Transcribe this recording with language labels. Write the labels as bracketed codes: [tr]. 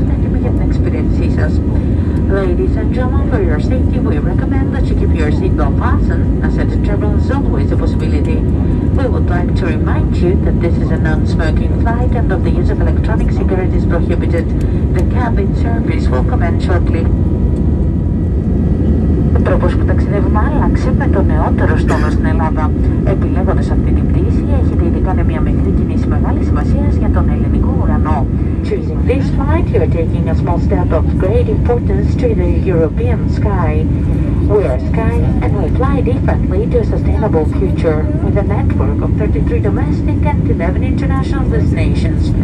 [en] Ladies and gentlemen, for your safety, we recommend that you keep your seatbelt fastened, as at the turbulence is always a possibility. We would like to remind you that this is a non-smoking flight and that the use of electronic cigarettes is prohibited. The cabin service will commence shortly. [el] Τρόπος που ταξιδεύουμε άλλαξε με το νεότερο στόλο στην Ελλάδα. Επιλέγοντας αυτή την πτήση, έχετε ήδη κάνει μια μικρή κίνηση μεγάλης σημασίας για τον ελληνικό ουρανό. [en] Choosing this flight, you're taking a small step of great importance to the European sky. We are Sky, and we fly differently to a sustainable future, with a network of 33 domestic and 11 international destinations.